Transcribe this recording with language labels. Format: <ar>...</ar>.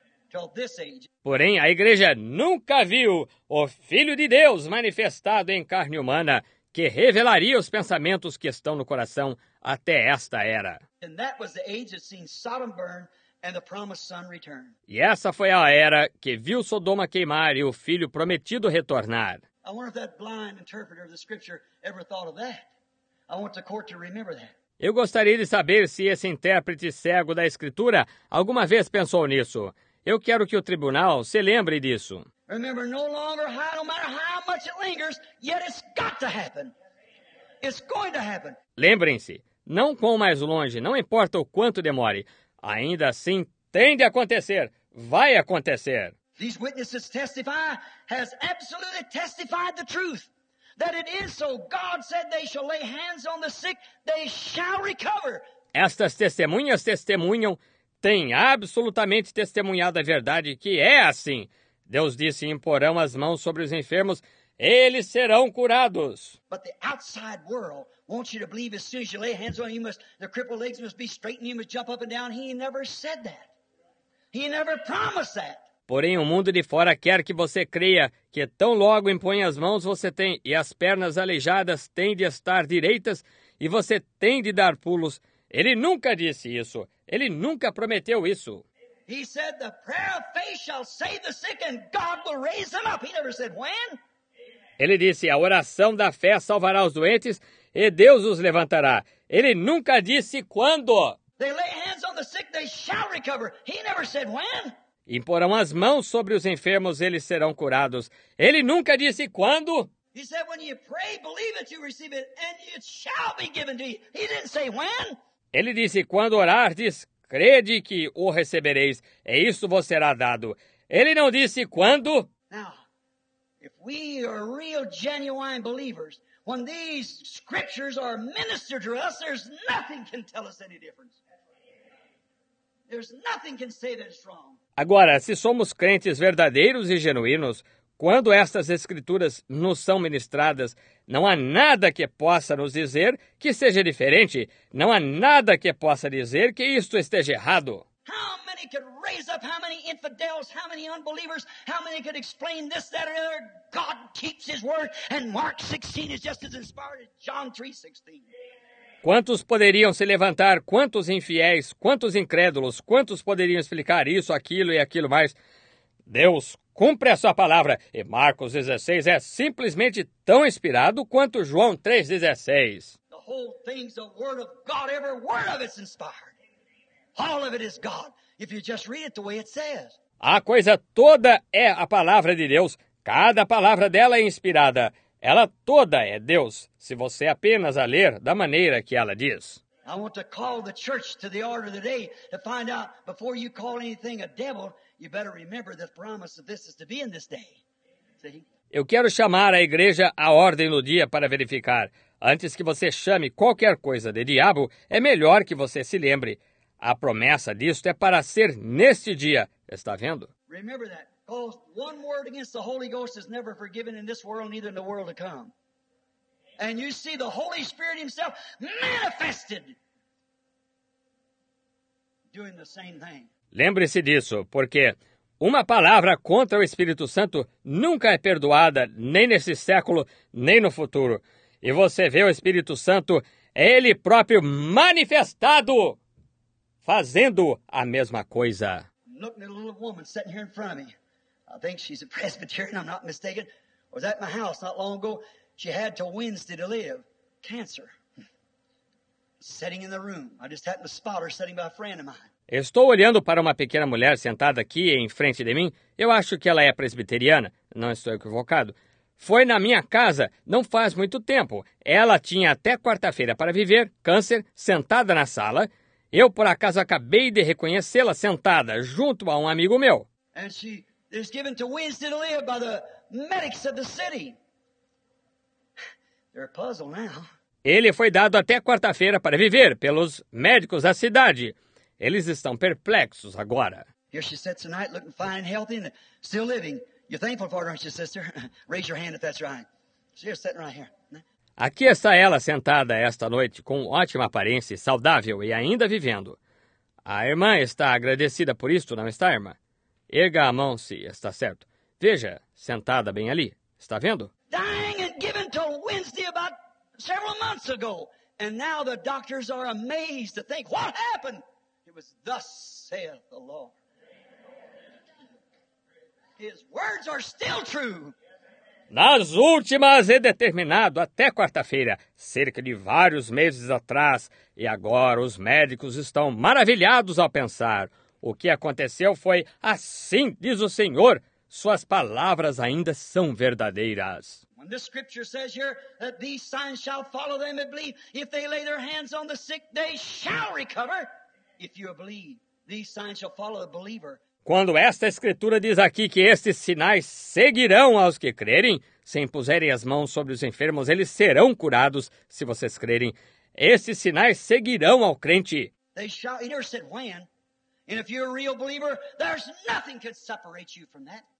<en>Till this age.</en> <pt>Porém, a igreja nunca viu o Filho de Deus manifestado em carne humana que revelaria os pensamentos que estão no coração até esta era.</pt> <en>And that was the age that seen Sodom burn and the promised Son return.</en> <pt>E essa foi a era que viu Sodoma queimar e o Filho prometido retornar.</pt> <en>I wonder if that blind interpreter of the scripture ever thought of that. I want the court to remember that.</en> <pt>Eu gostaria de saber se esse intérprete cego da escritura alguma vez pensou nisso. Eu quero que o tribunal se lembre disso.</pt> <en>Remember, no longer how, no matter how much it lingers, yet it's got to happen. It's going to happen.</en> <pt>Lembrem-se, não quão mais longe, não importa o quanto demore, Ainda assim, tem de acontecer. Vai acontecer.</pt> <en>These witnesses testify has absolutely testified the truth. That it is so. God said they shall lay hands on the sick, they shall recover.</en> <pt>Estas testemunhas testemunham, têm absolutamente testemunhado a verdade que é assim. Deus disse, imporão as mãos sobre os enfermos, eles serão curados.</pt> <en>But the outside world wants you to believe as soon as you lay hands on him, the crippled legs must be straightened, you must jump up and down. He never said that. He never promised that.</en> <pt>Porém, o mundo de fora quer que você creia que tão logo impõe as mãos você tem e as pernas aleijadas têm de estar direitas e você tem de dar pulos. Ele nunca disse isso. Ele nunca prometeu isso.</pt> <en>He said the prayer of faith shall save the sick and God will raise them up. He never said when.</en> <pt>Ele disse, a oração da fé salvará os doentes e Deus os levantará. Ele nunca disse quando.</pt> <en>They lay hands on the sick, they shall recover. He never said when.</en> <pt>Imporão as mãos sobre os enfermos, eles serão curados. Ele nunca disse quando.</pt> <en>He said, when you pray, believe it, you receive it, and it shall be given to you. He didn't say when.</en> <pt>Ele disse, quando orardes, crede que o recebereis, e isso vos será dado. Ele não disse quando.</pt> <en>Now, if we are real, genuine believers, when these scriptures are ministered to us, there's nothing can tell us any difference. There's nothing can say that it's wrong.</en> <pt>Agora, se somos crentes verdadeiros e genuínos, quando estas escrituras nos são ministradas, não há nada que possa nos dizer que seja diferente. Não há nada que possa dizer que isto esteja errado.</pt> <en>How many could raise up, how many infidels, how many unbelievers, how many could explain this, that, or the other? God keeps his word, and Mark 16 is just as inspired as John 3:16.</en> <pt>Quantos poderiam se levantar, quantos infiéis, quantos incrédulos, quantos poderiam explicar isso, aquilo e aquilo mais? Deus cumpre a sua palavra e Marcos 16 é simplesmente tão inspirado quanto João 3:16.</pt> <en>The whole thing's a word of God, every word of it's inspired. All of it is God, if you just read it the way it says.</en> <pt>A coisa toda é a palavra de Deus, cada palavra dela é inspirada. Ela toda é Deus, se você apenas a ler da maneira que ela diz.</pt> <en>I want to call the church to the order of the day to find out before you call anything a devil, you better remember the promise of this is to be in this day. See?</en> <pt>Eu quero chamar a igreja à ordem do dia para verificar. Antes que você chame qualquer coisa de diabo, é melhor que você se lembre. A promessa disto é para ser neste dia. Está vendo?</pt> <en>Remember that. Because one word against the Holy Ghost is never forgiven in this world, neither in the world to come. And you see the Holy Spirit himself manifested doing the same thing.</en> <pt>Lembre-se disso, porque uma palavra contra o Espírito Santo nunca é perdoada, nem nesse século, nem no futuro. E você vê o Espírito Santo, ele próprio manifestado, fazendo a mesma coisa.</pt> <en>Looking at a little woman sitting here in front of me. I think she's a Presbyterian, I'm not mistaken. I was at my house not long ago. She had till Wednesday to live. Cancer. Sitting in the room. I just happened to spot her sitting by a friend of mine.</en> <pt>Estou olhando para uma pequena mulher sentada aqui em frente de mim. Eu acho que ela é presbiteriana. Não estou equivocado. Foi na minha casa, não faz muito tempo. Ela tinha até quarta-feira para viver, câncer, sentada na sala. Eu, por acaso, acabei de reconhecê-la sentada junto a um amigo meu.</pt> <en>And she... It's given to Wednesday to live by the medics of the city. They're a puzzle now.</en> <pt>Ele foi dado até quarta-feira para viver pelos médicos da cidade. Eles estão perplexos agora.</pt> <en>Here she sits tonight looking fine and healthy and still living. You're thankful for it, aren't you, sister? Raise your hand if that's right. She's sitting right here.</en> <pt>Aqui está ela sentada esta noite com ótima aparência, saudável e ainda vivendo. A irmã está agradecida por isto, não está, irmã? Erga a mão se está certo. Veja, sentada bem ali. Está vendo?</pt> <en>Dying and given till Wednesday about several months ago. And now the doctors are amazed to think, what happened? It was thus saith the Lord. His words are still true.</en> <pt>Nas últimas e determinado até quarta-feira, cerca de vários meses atrás, e agora os médicos estão maravilhados ao pensar... O que aconteceu foi assim, diz o Senhor. Suas palavras ainda são verdadeiras.</pt> <en>When the scripture says here that these signs shall follow them that believe, if they lay their hands on the sick, they shall recover. If you believe, These signs shall follow the believer.</en> <pt>Quando esta escritura diz aqui que estes sinais seguirão aos que crerem, se impuserem as mãos sobre os enfermos, eles serão curados, se vocês crerem. Estes sinais seguirão ao crente.</pt> <en>They shall, he never said when. And if you're a real believer, there's nothing can separate you from that.</en>